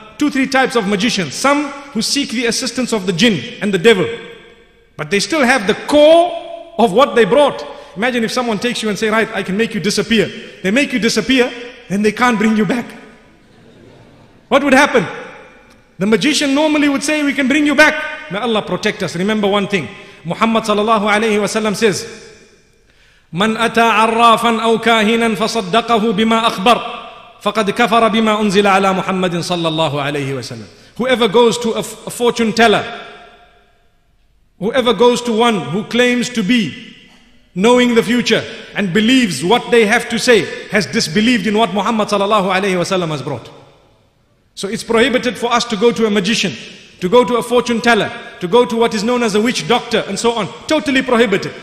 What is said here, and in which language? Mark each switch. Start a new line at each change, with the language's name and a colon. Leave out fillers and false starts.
English: Two, three types of magicians. Some who seek the assistance of the jinn and the devil. But they still have the core of what they brought. Imagine if someone takes you and say, right, I can make you disappear. They make you disappear, then they can't bring you back. What would happen? The magician normally would say, we can bring you back. May Allah protect us. Remember one thing.
Arabic: Muhammad sallallahu alayhi wa sallam says, من أتى عرافا أو كاهنا فصدقه بما أخبر فقد كفر بما أنزل على محمد صلى الله عليه وسلم.
English: Whoever goes to a fortune teller, whoever goes to one who claims to be knowing the future and believes what they have to say, has disbelieved in what Muhammad sallallahu alayhi wa sallam has brought. So it's prohibited for us to go to a magician, to go to a fortune teller, to go to what is known as a witch doctor and so on. Totally prohibited.